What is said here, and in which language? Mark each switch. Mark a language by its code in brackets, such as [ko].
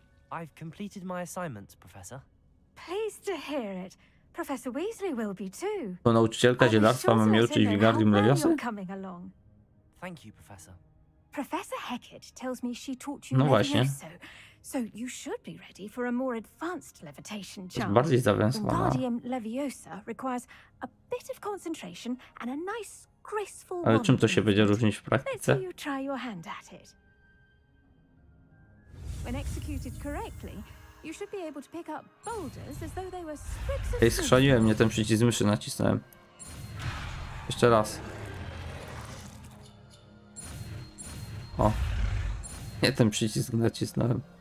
[en] I've completed my assignments, professor. Pleased to hear it. Professor Weasley will be too. [pl] To nauczycielka zielarstwa ma mnie uczyć Wingardium Leviosa? [en] Thank you, professor. Professor Hecate tells me she taught you. [pl] No właśnie. [en] So you should be ready for a more advanced levitation challenge. [pl] Jest bardziej zaawansowana. [en] Wingardium Leviosa requires a bit of concentration and a nice graceful. [pl] Ale czym to się będzie różnić w praktyce? [en] Let's see you try your hand at it. When executed correctly, you should be able to pick up boulders as though they were sprigs of. [pl] Ej, schrzaniłem, nie ten przycisk myszy nacisnąłem. Jeszcze raz. O. Nie ten przycisk nacisnąłem.